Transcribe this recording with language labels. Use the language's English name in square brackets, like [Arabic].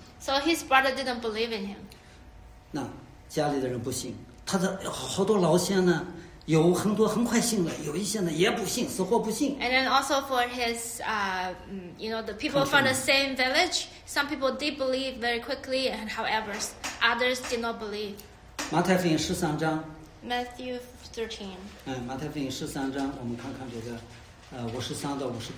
[English] So his brother didn't believe in him. [Chinese] 那家里的人不信，他的好多老乡呢。有很多很快信了，有一些呢也不信， 死活不信。 [English] And then also for his, you know, the people from the same village, some people did believe very quickly, and however, others did not believe. [Chinese] 马太福音13章。 [English] Matthew 13. [Chinese] 马太福音13章，我们看看这个，53到58。